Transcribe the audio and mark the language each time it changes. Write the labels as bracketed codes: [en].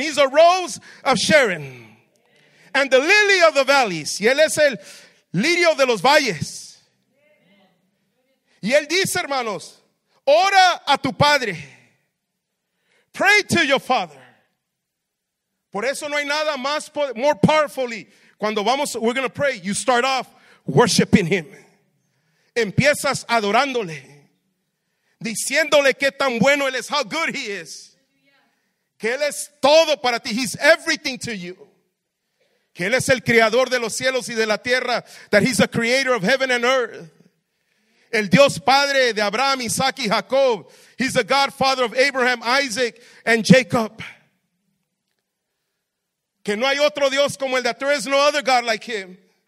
[en] He's the rose of Sharon. And the lily of the valleys. [es] Y Él es el lirio de los valles. Y Él dice, hermanos, ora a tu Padre. [en] Pray to your Father. [es] Por eso no hay nada más, [en] more powerfully. [es] Cuando vamos, [en] we're going to pray, you start off worshiping Him. [es] Empiezas adorándole. Diciéndole qué tan bueno Él es, [en] how good He is. [es] Que Él es todo para ti, [en] He's everything to you. [es] Que Él es el creador de los cielos y de la tierra. [en] That He's the creator of heaven and earth. [es] El Dios Padre de Abraham, Isaac y Jacob. [en] He's the God Father of Abraham, Isaac and Jacob. [es] Que no hay otro Dios como el de [en] There is no other God like Him.